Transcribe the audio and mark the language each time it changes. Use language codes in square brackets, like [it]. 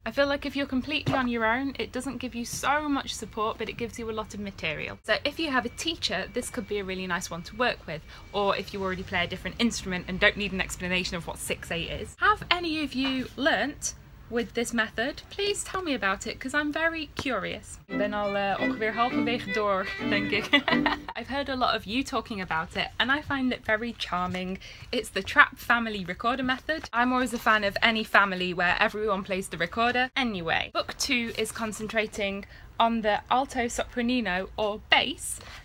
[en] I feel like if you're completely on your own, it doesn't give you so much support, but it gives you a lot of material. So if you have a teacher, this could be a really nice one to work with, or if you already play a different instrument and don't need an explanation of what 6/8 is. Have any of you learnt with this method? Please tell me about it, because I'm very curious. [nl] Ben al ongeveer halverwege door, denk ik. [en] I've heard a lot of you talking about it, and I find it very charming. It's the trap family recorder method. I'm always a fan of any family where everyone plays the recorder. Anyway, book 2 is concentrating on the alto sopranino, or bass.